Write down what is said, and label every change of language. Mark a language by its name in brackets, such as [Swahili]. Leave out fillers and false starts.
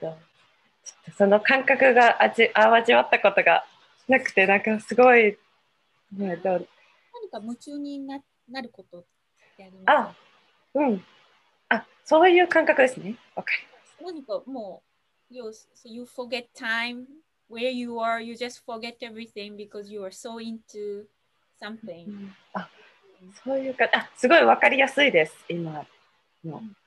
[Japanese] ちょっとその感覚が味わったことがなくて、なんかすごい。何か夢中になることってあるんですか？あ、うん。あ、そういう感覚ですね。わかります。何かもう、 [English] you forget time. Where you are, you just forget everything because you are so into something. [Japanese] あ、そういうか、あ、すごいわかりやすいです、今の。